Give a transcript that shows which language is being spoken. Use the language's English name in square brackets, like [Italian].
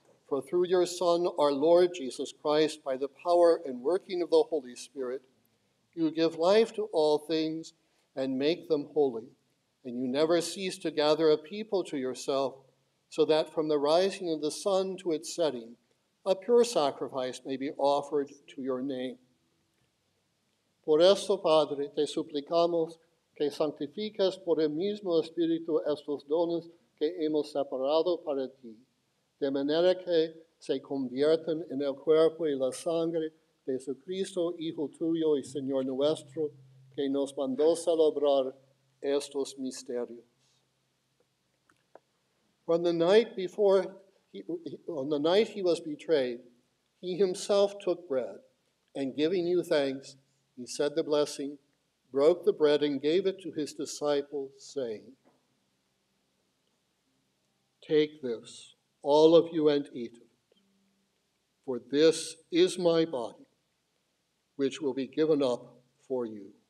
[English] For through your Son, our Lord Jesus Christ, by the power and working of the Holy Spirit, you give life to all things and make them holy. And you never cease to gather a people to yourself, so that from the rising of the sun to its setting, a pure sacrifice may be offered to your name. [Spanish] Por eso, Padre, te suplicamos que santifiques por el mismo Espíritu estos dones que hemos separado para ti, de manera que se convierten en el cuerpo y la sangre de Jesucristo, Hijo tuyo y Señor nuestro, que nos mandó celebrar estos misterios. [English] On the night he was betrayed, he himself took bread, and giving you thanks, he said the blessing, broke the bread, and gave it to his disciples, saying, "Take this, all of you, and eat of it, for this is my body, which will be given up for you."